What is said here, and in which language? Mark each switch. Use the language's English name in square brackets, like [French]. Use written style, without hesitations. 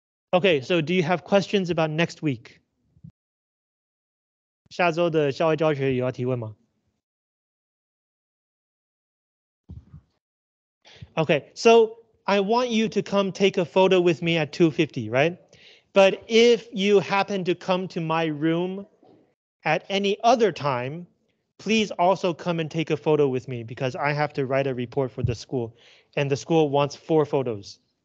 [English] Okay, so do you have questions about next week? [Chinese] 下周的校外教学有要提问吗？ [English] Okay, so I want you to come take a photo with me at 2:50, right? But if you happen to come to my room at any other time, please also come and take a photo with me because I have to write a report for the school and the school wants 4 photos.